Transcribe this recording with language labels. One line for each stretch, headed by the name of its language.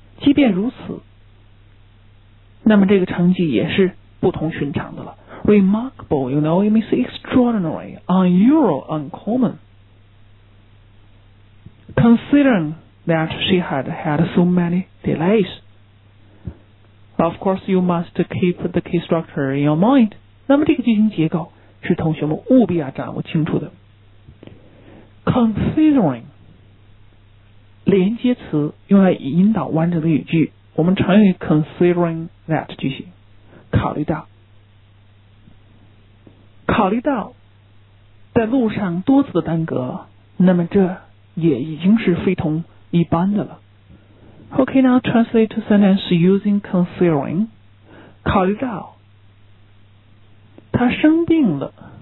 Chinese: 即便如此，那么这个成绩也是不同寻常的了。
English: Remarkable, you know, it means extraordinary, unusual, uncommon. Considering... that she had so many delays. Of course, you must keep the key structure in your mind.
Chinese: 那么这个句型结构是同学们务必要掌握清楚的。 Considering, 连接词用来引导完整的语句，我们常用于 considering that 句型，考虑到在路上多次的耽搁，那么这也已经是非同一般的了
English: OK now translate to sentence using considering
Chinese: 考虑到他生病了